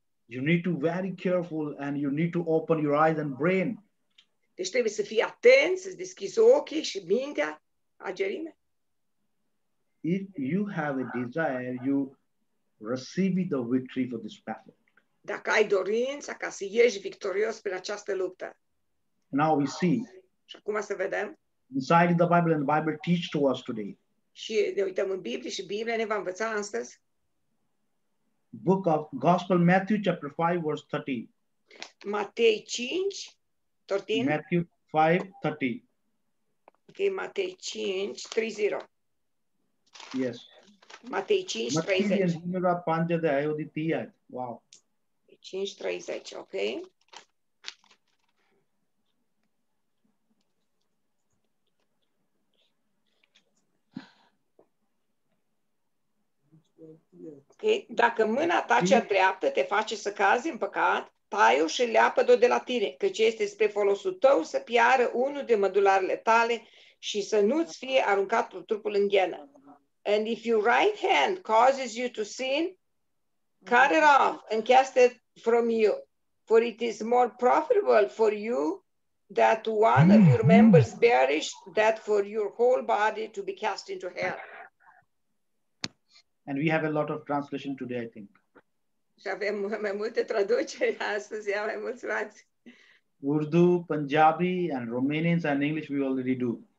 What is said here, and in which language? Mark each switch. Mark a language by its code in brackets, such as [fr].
[en] You need to be very careful and you need to open your eyes and brain. [ro] Deci trebuie să fii atent, să-ți deschizi ochii și mintea, agerime. [en] If you have a desire, you receive the victory for this battle. [ro] Dacă ai dorința ca să ieși victorios prin această luptă. [en] Now we see. [ro] Și acum să vedem. [en] Inside the Bible and the Bible teach to us today. [ro] Și ne uităm în Biblie și Biblia ne va învăța astăzi. [en] Book of Gospel, Matthew chapter 5, verse 30. [ro] Matei 5, 13. [en] Matthew 5, 30. [ro] Okay, Matei 5, 30. [en] Yes. [ro] Matei 5, 30. Matei 5, 30. Matei 5, 30. Wow. [en] 5, 30, okay. Okay. [ro] Dacă mâna ta cea dreaptă te face să cazi în păcat, tai-o și leapă-o de la tine, căci este spre folosul tău să piară unul de mădularele tale și să nu-ți fie aruncat pe trupul în ghenă. [en] And if your right hand causes you to sin, cut it off and cast it from you. For it is more profitable for you that one of your members perish than for your whole body to be cast into hell. And we have a lot of translation today, I think. [ro] Și avem mai multe traduceri astăzi, mai mulți frați. [en] Urdu, Punjabi, and Romanians and English we already do.